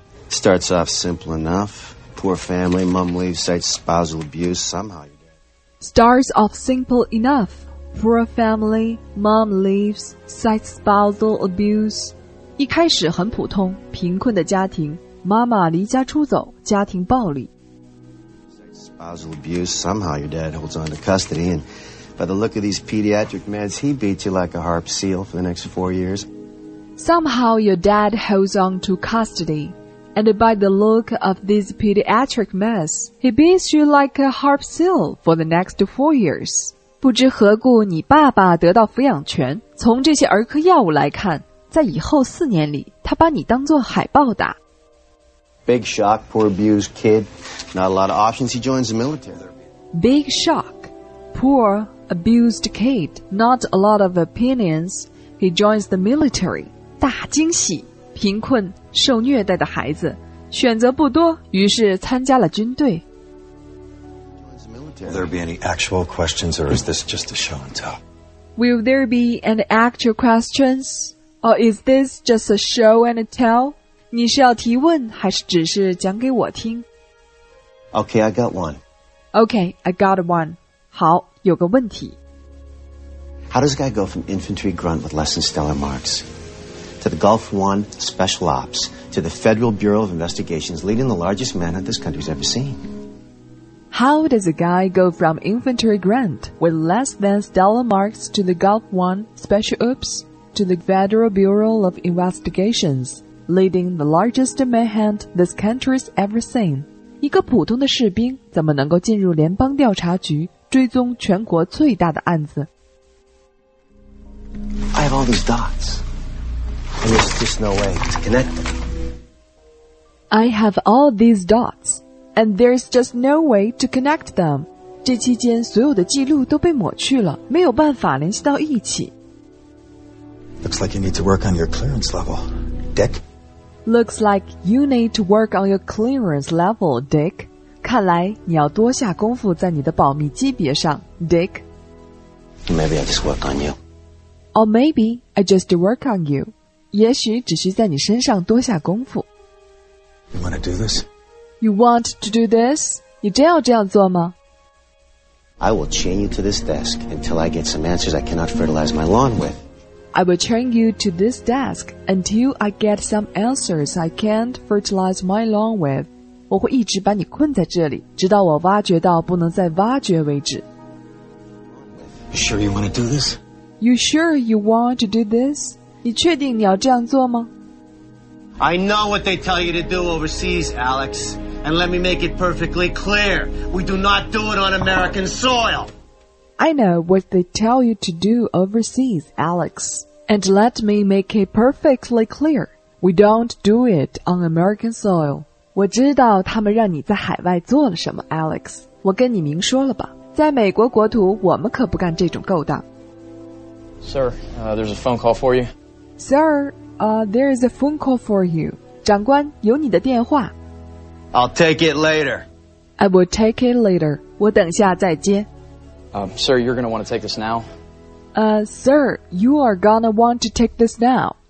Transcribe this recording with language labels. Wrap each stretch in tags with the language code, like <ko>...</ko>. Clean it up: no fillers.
<en>Starts off simple enough. Poor family, mom leaves, cites spousal abuse. Somehow you did. Starts off simple enough. Poor family, mom leaves, cites spousal abuse.</en> <zh>一开始很普通，贫困的家庭，妈妈离家出走，家庭暴力。</zh> <en>Cites spousal abuse. Somehow your dad holds on to custody, and by the look of these pediatric meds, he beats you like a harp seal for the next 4 years. Somehow your dad holds on to custody. And by the look of this pediatric mess, he beats you like a harp seal for the next 4 years.</en> <zh>不知何故你爸爸得到抚养权，从这些儿科药物来看，在以后四年里，他把你当作海豹打。</zh> <en>Big shock, poor abused kid. Not a lot of options, he joins the military. Big shock, poor abused kid. Not a lot of opinions, he joins the military.</en> <zh>大惊喜。贫困受虐待的孩子选择不多，于是参加了军队。</zh> <en>Will there be any actual questions, or is this just a show and tell? Will there be any actual questions, or is this just a show and tell?</en> <zh>你是要提问，还是只是讲给我听？</zh> <en>Okay, I got one. Okay, I got one.</en> <zh>好，有个问题。</zh> <en>How does a guy go from infantry grunt with less than stellar marks? To the Gulf One Special Ops, to the Federal Bureau of Investigations, leading the largest manhunt this country's ever seen. How does a guy go from infantry grunt with less than stellar marks to the Gulf One Special Ops, to the Federal Bureau of Investigations, leading the largest manhunt this country's ever seen?</en> <zh>一个普通的士兵怎么能够进入联邦调查局，追踪全国最大的案子。</zh> <en>I have all these dots, and there's just no way to connect them. I have all these dots, and there's just no way to connect them.</en> <zh>这期间所有的记录都被抹去了，没有办法联系到一起。</zh> <en>Looks like you need to work on your clearance level, Dick. Looks like you need to work on your clearance level, Dick.</en> <zh>看来你要多下功夫在你的保密级别上 ,Dick.</zh> <en>Maybe I just work on you. Or maybe I just work on you.</en> <zh>也许只需在你身上多下功夫。</zh> <en>You want to do this? You want to do this?</en> <zh>你真要这样做吗？</zh> <en>I will chain you to this desk until I get some answers I cannot fertilize my lawn with. I will chain you to this desk until I get some answers I can't fertilize my lawn with.</en> <zh>我会一直把你困在这里，直到我挖掘到不能再挖掘为止。</zh> <en>You sure you want to do this? You sure you want to do this?</en> <zh>你确定你要这样做吗？</zh> <en>I know what they tell you to do overseas, Alex. And let me make it perfectly clear, we do not do it on American soil. I know what they tell you to do overseas, Alex. And let me make it perfectly clear, we don't do it on American soil.</en> <zh>我知道他们让你在海外做了什么 ,Alex. 我跟你明说了吧。在美国国土我们可不干这种勾当。</zh> <en>Sir, there's a phone call for you. Sir, there is a phone call for you.</en> <zh>长官有你的电话。</zh> <en>I'll take it later. I will take it later.</en> <zh>我等下再接。</zh> <en>Sir, you're going to want to take this now. Sir, you are going to want to take this now.</en>